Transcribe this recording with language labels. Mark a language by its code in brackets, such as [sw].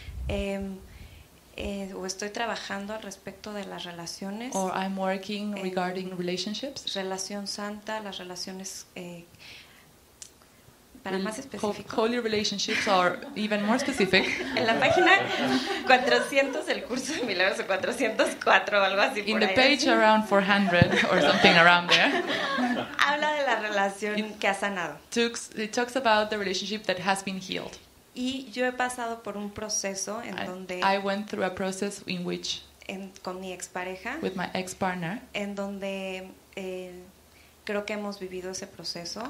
[es] o estoy trabajando al respecto de las relaciones [en] or I'm working regarding relationships [es] relación santa las relaciones para más específico [en] holy relationships or even more specific [es] en la página 400 del curso de milagros o 404 o algo así [en] in the page around 400 or something around there [es] habla de la relación que ha sanado [en] it talks about the relationship that has been healed [es] y yo he pasado por un proceso en donde [en] I went through a process in which [es] con mi expareja [en] with my ex-partner [es] en donde creo que hemos vivido ese proceso.